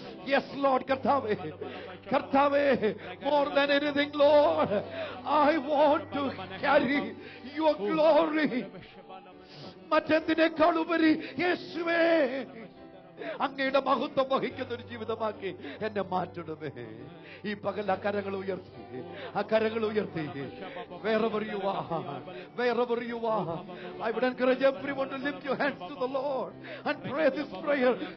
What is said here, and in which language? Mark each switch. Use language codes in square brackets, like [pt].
[en] Yes Lord, [ml] karthave, karthave, [en] more than anything Lord, I want to carry your glory. [ml] മറ്റെന്തിനേക്കാളുപരി യേശുവേ, അങ്ങയുടെ മഹത്വം വഹിക്കുന്ന ഒരു ജീവിതമാക്കി എന്നെ മാറ്റണമേ. ഈ പകൽ അക്കരങ്ങൾ ഉയർത്തി, അക്കരങ്ങൾ ഉയർത്തി. [en] Wherever you are, wherever you are, I would encourage everyone to lift your hands to the Lord and pray this prayer.